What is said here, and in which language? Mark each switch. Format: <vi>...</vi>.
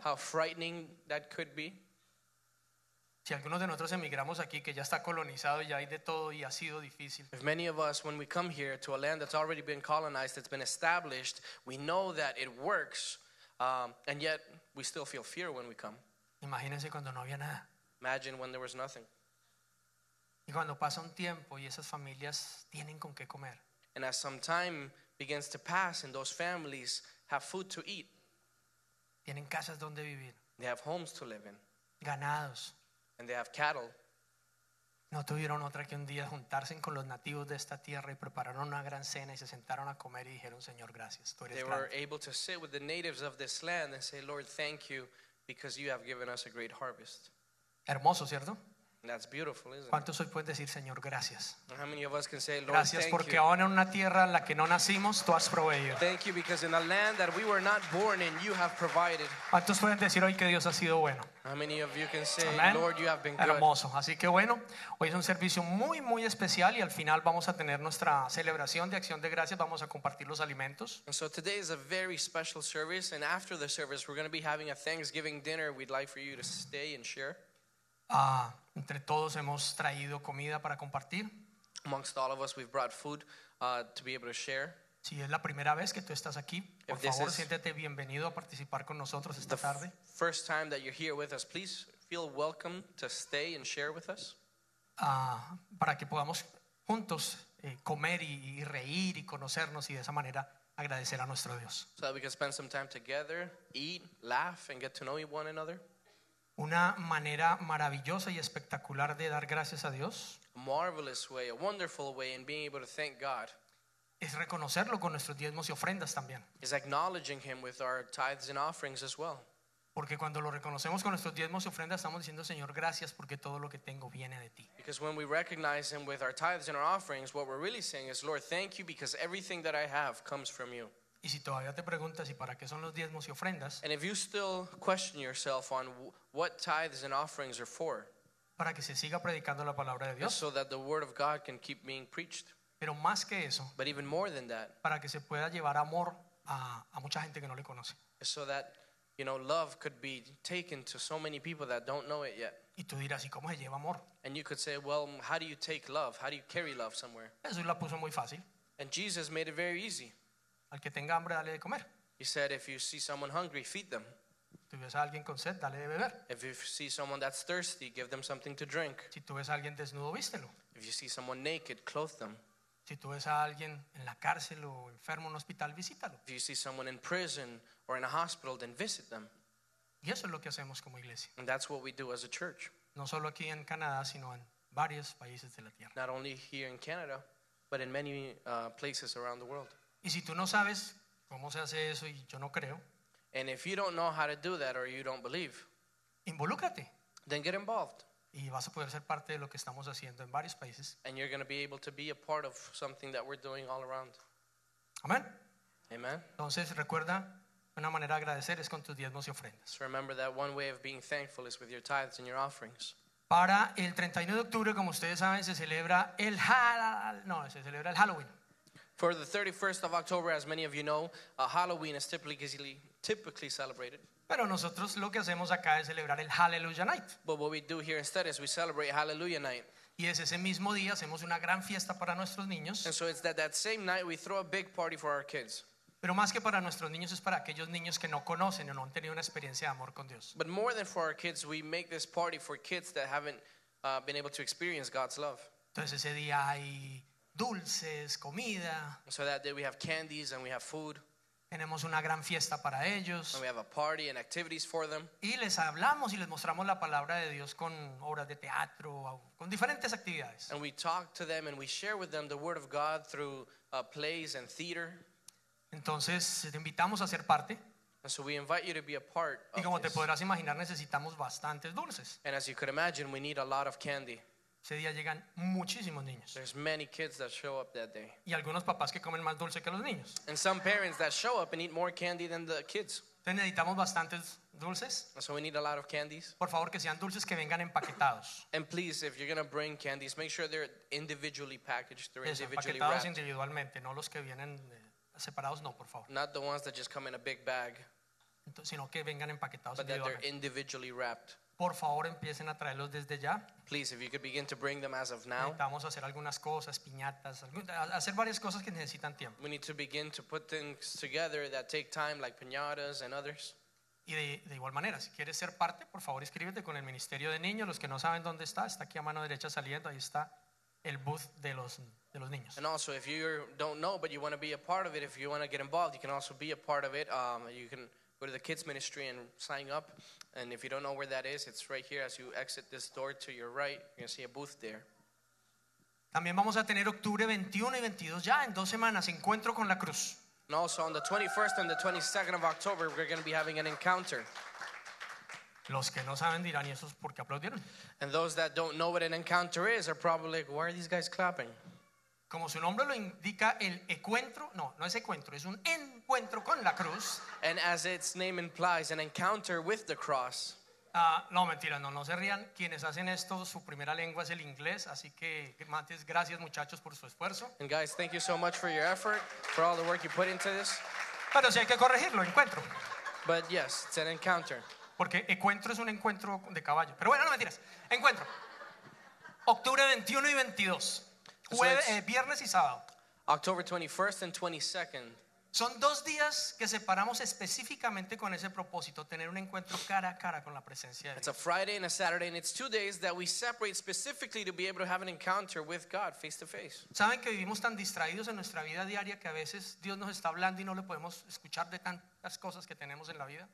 <en>How frightening that could be.</en> <es>Si algunos de nosotros emigramos aquí que ya está colonizado y ya hay de todo y ha sido difícil.</es> <en>If many of us, when we come here to a land that's already been colonized, that's been established, we know that it works, and yet we still feel fear when we come.</en> <es>Imagínense cuando no había nada.</es> <en>Imagine when there was nothing.</en> <es>Y cuando pasa un tiempo y esas familias tienen con qué comer.</es> <en>And as some time begins to pass and those families have food to eat.</en> <es>Tienen casas donde vivir.</es> <en>They have homes to live in.</en> <es>Ganados.</es> <en>And they have cattle.</en> <es>No tuvieron otra que un día juntarse con los nativos de esta tierra y prepararon una gran cena y se sentaron a comer y dijeron, Señor, gracias. Tú eres grande.</es> <en>They were able to sit with the natives of this land and say, Lord, thank you because you have given us a great harvest.</en> <es>Hermoso, ¿cierto?</es> <en>That's beautiful, isn't it?</en> <es>¿Cuántos hoy pueden decir, Señor, gracias?</es> <en>How many of us can say, Lord,</en> <es>gracias</es> <en>thank</en> <es>porque</es> <en>you.</en> <es>Ahora en una tierra en la que no nacimos, tú has proveído.</es> <en>Thank you because in a land that we were not born in, you have provided.</en> <es>¿Cuántos pueden decir hoy que Dios ha sido bueno?</es> <en>How many of you can say, Amen. Lord, you have been good.</en> <es>Hermoso. Así que bueno, hoy es un servicio muy, muy especial y al final vamos a tener nuestra celebración de Acción de Gracias. Vamos a compartir los alimentos.</es> <en>And so today is a very special service, and after the service, we're going to be having a Thanksgiving dinner. We'd like for you to stay and share.</en> <es>Entre todos hemos traído comida para compartir.</es> <en>Amongst all of us, we've brought food to be able to share.</en> <es>Si es la primera vez que tú estás aquí, por favor, siéntete bienvenido a participar con nosotros esta tarde.</es> <en>First time that you're here with us, please feel welcome to stay and share with us.</en> <es>Para que podamos juntos comer y reír y conocernos y de esa manera agradecer a nuestro Dios.</es> <en>So that we can spend some time together, eat, laugh, and get to know one another.</en> <es>Una manera maravillosa y espectacular de dar gracias a Dios.</es> <en>A marvelous way, a wonderful way in being able to thank God.</en> <es>Es reconocerlo con nuestros diezmos y ofrendas también.</es> <en>Is acknowledging him with our tithes and offerings as well.</en> <es>Porque cuando lo reconocemos con nuestros diezmos y ofrendas, estamos diciendo, Señor, gracias porque todo lo que tengo viene de ti.</es> <en>Because when we recognize him with our tithes and our offerings, what we're really saying is, Lord, thank you because everything that I have comes from you.</en> <es>Y si todavía te preguntas y para qué son los diezmos y ofrendas,</es> <en>and if you still question yourself on what tithes and offerings are for,</en> <es>para que se siga predicando la palabra de Dios,</es> <en>so that the word of God can keep being preached,</en> <es>pero más que eso,</es> <en>but even more than that,</en> <es>para que se pueda llevar amor a mucha gente que no le conoce,</es> <en>so that, you know, love could be taken to so many people that don't know it yet.</en> <es>Y tú dirás, ¿y cómo se lleva amor?</es> <en>And you could say, well, how do you take love? How do you carry love somewhere?</en> <es>Jesús la puso muy fácil.</es> <en>And Jesus made it very easy.</en> <es>Al que tenga hambre, dale de comer.</es> <en>He said, if you see someone hungry, feed them.</en> <es>Si ves a alguien con sed, dale de beber.</es> <en>If you see someone that's thirsty, give them something to drink.</en> <es>Si tú ves a alguien desnudo, vístelo.</es> <en>If you see someone naked, clothe them.</en> <es>Si tú ves a alguien en la cárcel o enfermo en un hospital, visítalo.</es> <en>If you see someone in prison or in a hospital, then visit them.</en> <es>Y eso es lo que hacemos como iglesia.</es> <en>And that's what we do as a church.</en> <es>No solo aquí en Canadá, sino en varios países de la tierra.</es> <en>Not only here in Canada, but in many places around the world.</en> <es>Y si tú no sabes cómo se hace eso y yo no creo.</es> <en>And if you don't know how to do that or you don't believe,</en> <es>involúcrate.</es> <en>Then get involved.</en> <es>Y vas a poder ser parte de lo que estamos haciendo en varios países.</es> <en>And you're going to be able to be a part of something that we're doing all around.</en> <es>Amen.</es> <en>Amen.</en> <es>Entonces recuerda, una manera de agradecer es con tus diezmos y ofrendas.</es> <en>So remember that one way of being thankful is with your tithes and your offerings.</en> <es>Para el 31 de octubre, como ustedes saben, se celebra el se celebra el Halloween.</es> <en>For the 31st of October, as many of you know, Halloween is typically celebrated.</en> <es>Pero nosotros lo que hacemos acá es celebrar el Hallelujah Night.</es> <en>But what we do here instead is we celebrate Hallelujah Night.</en> <es>Y es ese mismo día, hacemos una gran fiesta para nuestros niños.</es> <en>And so it's that same night we throw a big party for our kids.</en> <es>Pero más que para nuestros niños, es para aquellos niños que no conocen o no han tenido una experiencia de amor con Dios.</es> <en>But more than for our kids, we make this party for kids that haven't been able to experience God's love.</en> <es>Entonces ese día hay dulces, comida.</es> <en>So that day we have candies and we have food.</en> <es>Tenemos una gran fiesta para ellos.</es> <en>And we have a party and activities for them.</en> <es>Y les hablamos y les mostramos la palabra de Dios con obras de teatro, con diferentes actividades.</es> <en>And we talk to them and we share with them the word of God through plays and theater.</en> <es>Entonces te invitamos a ser parte.</es> <en>And so we invite you to be a part of</en> <es>Y como</es> <en>this.</en> <es>Te podrás imaginar, necesitamos bastantes dulces.</es> <en>And as you could imagine, we need a lot of candy.</en> <es>Ese día llegan muchísimos niños.</es> <en>There's many kids that show up that day.</en> <es>Y algunos papás que comen más dulce que los niños.</es> <en>And some parents that show up and eat more candy than the kids.</en> <es>Entonces necesitamos bastantes dulces.</es> <en>And so we need a lot of candies.</en> <es>Por favor, que sean dulces que vengan empaquetados.</es> <en>And please, if you're going to bring candies, make sure they're individually packaged, they're</en> <es>Eso,</es> <en>individually</en> <es>empaquetados</es> <en>wrapped.</en> <es>Empaquetados individualmente, no los que vienen separados, no, por favor.</es> <en>Not the ones that just come in a big bag.</en> <es>Entonces, sino que vengan empaquetados</es> <en>But that they're individually wrapped.</en> <es>Por favor, empiecen a traerlos desde ya.</es> <en>Please, if you could begin to bring them as of now.</en> <es>Necesitamos hacer algunas cosas, piñatas, hacer varias cosas que necesitan tiempo.</es> <en>We need to begin to put things together that take time, like piñatas and others.</en> <es>Y de igual manera, si quieres ser parte, por favor, inscríbete con el Ministerio de Niños. Los que no saben dónde está aquí a mano derecha saliendo. Ahí está el booth de los niños.</es> <en>And also, if you don't know, but you want to be a part of it, if you want to get involved, you can also be a part of it. You can go to the kids ministry and sign up. And if you don't know where that is, it's right here as you exit this door to your right. You're going to see a booth there.</en> <es>También vamos a tener octubre 21 y 22 ya en dos semanas, encuentro con la cruz.</es> <en>And also on the 21st and the 22nd of October, we're going to be having an encounter.</en> <es>Los que no saben dirán, ¿y esos por qué aplaudieron?</es> <en>And those that don't know what an encounter is are probably like, why are these guys clapping?</en> <es>Como su nombre lo indica, el encuentro, no, no es encuentro, es un encuentro con la cruz.</es> <en>And as its name implies, an encounter with the cross.</en> <es>No, mentira, no se rían. Quienes hacen esto, su primera lengua es el inglés, así que, antes, gracias muchachos por su esfuerzo.</es> <en>And guys, thank you so much for your effort, for all the work you put into this.</en> <es>Pero sí hay que corregirlo, encuentro.</es> <en>But yes, it's an encounter.</en> <es>Porque encuentro es un encuentro de caballo. Pero bueno, no mentiras, encuentro. Octubre 21 y 22. Viernes y sábado.</es> <en>October 21st and 22nd.</en> <es>Son dos días que separamos específicamente con ese propósito, tener un encuentro cara a cara con la presencia de Dios.</es> <en>It's a Friday and a Saturday, and it's 2 days that we separate specifically to be able to have an encounter with God face to face.</en> <es>Saben que vivimos tan distraídos en nuestra vida diaria que a veces Dios nos está hablando y no le podemos escuchar de tantas cosas que tenemos en la vida.</es>